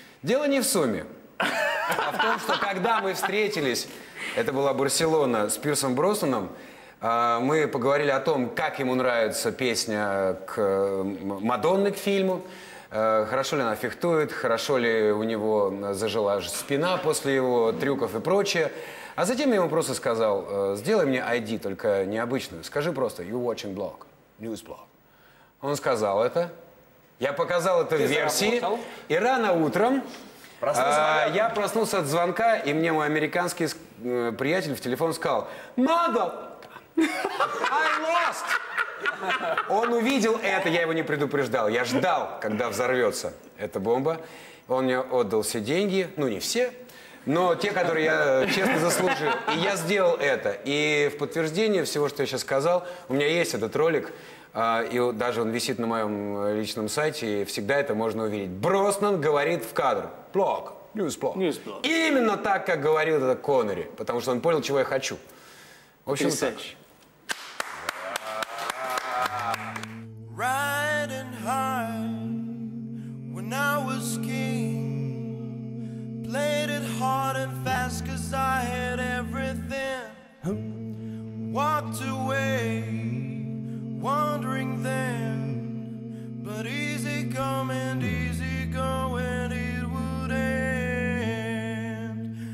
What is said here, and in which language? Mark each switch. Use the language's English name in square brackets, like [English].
[Russian] Дело не в сумме, а в том, что когда мы встретились, это была Барселона, с Пирсом Броснаном, мы поговорили о том, как ему нравится песня к «Мадонны» к фильму, хорошо ли она фехтует, хорошо ли у него зажила спина после его трюков и прочее. А затем я ему просто сказал, сделай мне ID, только необычную. Скажи просто, [English] you watching blog, news blog. [Russian] Он сказал это. Я показал это в версии. И рано утром я проснулся от звонка, и мне мой американский приятель в телефон сказал, Мадон, [English] I lost! [Russian] Он увидел это, я его не предупреждал. Я ждал, когда взорвется эта бомба. Он мне отдал все деньги, ну не все, но те, которые я честно заслужил. И я сделал это. И в подтверждение всего, что я сейчас сказал, у меня есть этот ролик, и даже он висит на моем личном сайте, и всегда это можно увидеть. Броснан говорит в кадр. Блог. Ньюсблог. Именно так, как говорил это Коннери, потому что он понял, чего я хочу. В общем, так. [English] Riding high when I was king, played it hard and fast 'cause I had everything. Walked away wandering then, but easy come and easy go and it would end.